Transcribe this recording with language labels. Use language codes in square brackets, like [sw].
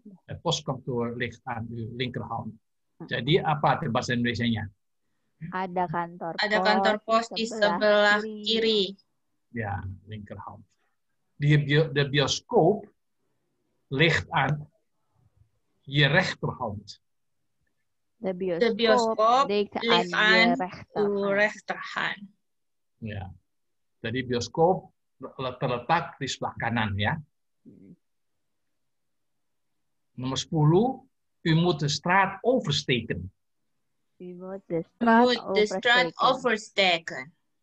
[nl] Het postkantoor ligt aan uw linkerhand. [id] Jadi apa arti bahasa Indonesianya? Ada kantor pos. Ada kantor pos di sebelah kiri. Ya, yeah, linkerhand. [nl] De bioscoop ligt aan je rechterhand. De bioskop ligt aan uw rechterhand. Ya. [id] Jadi bioskop terletak di sebelah kanan ya. Nomor [nl] 10, u moet de straat oversteken. U moet de straat oversteken.